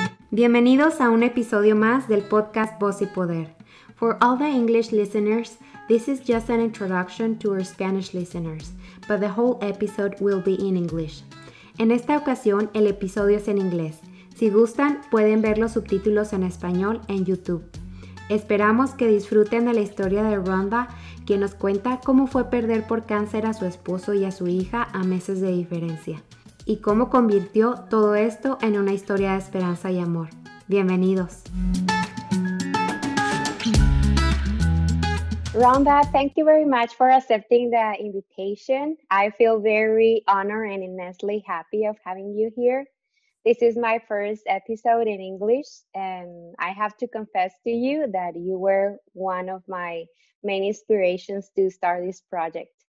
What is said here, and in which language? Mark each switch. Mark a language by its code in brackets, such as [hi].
[es] Bienvenidos a un episodio más del podcast Voz y Poder. [en] For all the English listeners, this is just an introduction to our Spanish listeners, but the whole episode will be in English. [es] En esta ocasión, el episodio es en inglés. Si gustan, pueden ver los subtítulos en español en YouTube. Esperamos que disfruten de la historia de Rhonda, quien nos cuenta cómo fue perder por cáncer a su esposo y a su hija a meses de diferencia, y cómo convirtió todo esto en una historia de esperanza y amor. Bienvenidos. [en] Rhonda, thank you very much for accepting the invitation. I feel very honored and immensely happy of having you here. This is my first episode in English, and I have to confess to you that you were one of my main inspirations to start this project.